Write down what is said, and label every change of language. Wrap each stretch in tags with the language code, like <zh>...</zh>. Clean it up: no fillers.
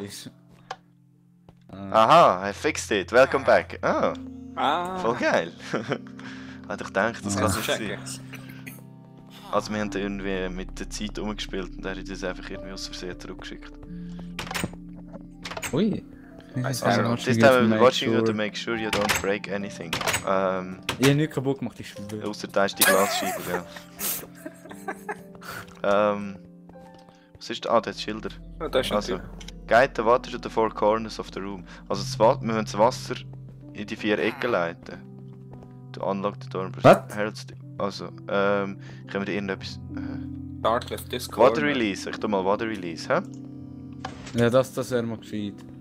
<de>ist.</de> <en>Aha, I fixed it. Welcome back. Oh. Ah.</en> <de>Voll geil. Hätte ich gedacht, das kann so sein.</de> <en>Check.</en> <de>Also wir haben da irgendwie mit der Zeit umgespielt und er hat uns einfach irgendwie aus Versehen zurückgeschickt. Ui.</de> <en>Also, this time I'm watching you to make sure you don't break anything.</en> <de>Ich habe nichts kaputt gemacht, ich schwöre. Außer da ist die Glasscheibe, gell. Was ist da? Ah, da ist Schilder. Ja, da ist</de> <en>Also, guide the water to the four corners of the room.</en> <de>Also das Wasser, wir müssen das Wasser in die vier Ecken leiten.</de> <en>To unlock the door.</en> <de>Was? Also, können wir da irgendetwas.</de> <en>Darkest Water Discord.</en> <de>Release, ich tu mal Water Release, hä? Ja, das wäre mal gescheit.</de>